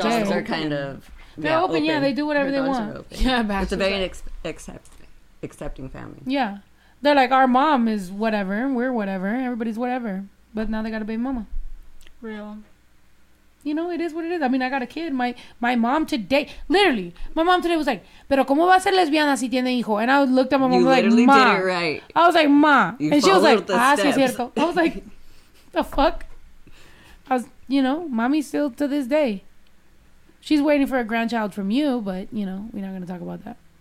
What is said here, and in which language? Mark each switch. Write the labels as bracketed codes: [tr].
[en] gay. Are kind of... They're open. Yeah, they do whatever her they want. Yeah, Bash it's a very accepting family. Yeah. They're like, our mom is whatever. We're whatever. Everybody's whatever. But now they got a baby mama. Real. You know, it is what it is. I mean, I got a kid. My mom today was like, [es] pero como va a ser lesbiana si tiene hijo? [en] And I looked at my mom like, ma. You literally did it right. I was like, ma. And she was like, [es] ah, sí es cierto. [en] I was like, the fuck? I was, you know, mommy still to this day. She's waiting for a grandchild from you, but, you know, we're not going to talk about that.